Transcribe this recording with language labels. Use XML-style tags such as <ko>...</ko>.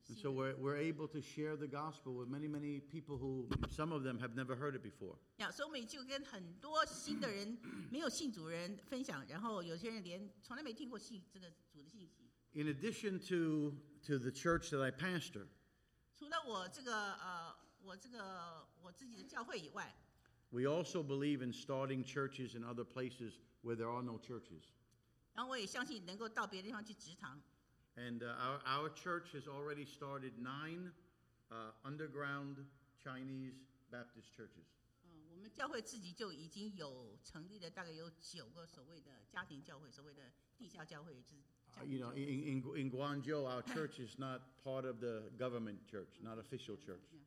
<en>And so we're able to share the gospel with many, many people who some of them have never heard it before.</en> <zh>所以我们就跟很多新的人没有信主人分享，然后有些人连从来没听过这个主的信息。</zh> <en>In addition to the church that I pastor.</en> <zh>除了我这个我自己的教会以外</zh> <en>，We also believe in starting churches in other places where there are no churches.</en> <zh>然后我也相信能够到别的地方去植堂。</zh> <en>And our church has already started 9 underground Chinese Baptist churches.</en> <zh>我们教会自己就已经有成立了大概有九个所谓的家庭教会，所谓的地下教会，就是。</zh> <en>You know, in Guangzhou, our church is not part of the government church, not official church.</en>